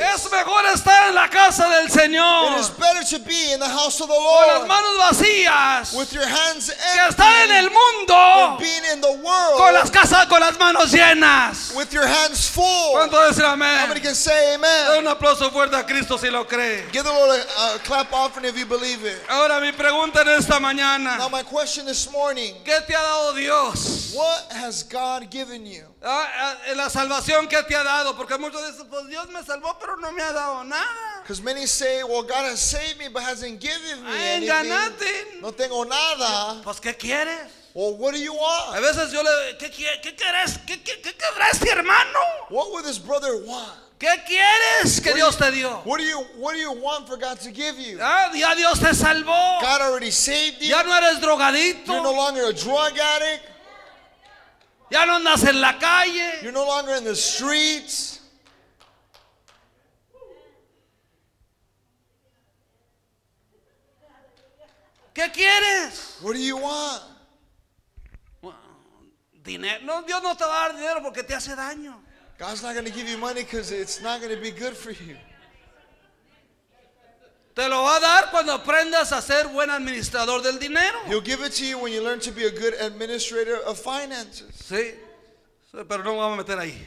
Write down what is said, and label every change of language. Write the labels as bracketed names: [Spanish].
[Spanish] Es mejor estar en la casa del Señor. [English] It is better to be in the house of the Lord. [Spanish] Con las manos vacías. [English] With your hands empty. [Spanish] Que estar en el mundo. [English] Than being in the world. [Spanish] Con las casas con las manos llenas. [English] With your hands full. [Spanish] ¿Cuánto decir amén? [English] How many can say amen? [Spanish] Dale un aplauso fuerte a Cristo si lo cree. [English] Give the Lord a clap offering if you believe it. [Spanish] Ahora mi pregunta en esta mañana. [English] Now my question is. This morning, [Spanish] ¿qué te ha dado Dios? [English] What has God given you? [Spanish] La salvación que te ha dado, porque muchos dicen, pues Dios me salvó, pero no me ha dado nada. [English] Because many say, well, God has saved me, but hasn't given me anything. [Spanish] Ay, [English] nothing. [Spanish] No tengo nada. Pues, ¿qué quieres? [English] Well, what do you want? [Spanish] A veces yo le, ¿qué quieres? ¿Qué querrás, hermano? [English] What would this brother want? [Spanish] ¿Qué quieres que Dios te dio? [English] What do you want for God to give you? [Spanish] Ya Dios te salvó. [English] God already saved you. [Spanish] Ya no eres drogadito. [English] You're no longer a drug addict. [Spanish] Ya no andas en la calle. [English] You're no longer in the streets. [Spanish] ¿Qué quieres? [English] What do you want? [Spanish] Dinero. No, Dios no te va a dar dinero porque te hace daño. [English] God's not going to give you money because it's not going to be good for you. [Spanish] Te lo va a dar cuando aprendas a ser buen administrador del dinero. [English] He'll give it to you when you learn to be a good administrator of finances. [Spanish] Sí, pero no me voy a meter ahí.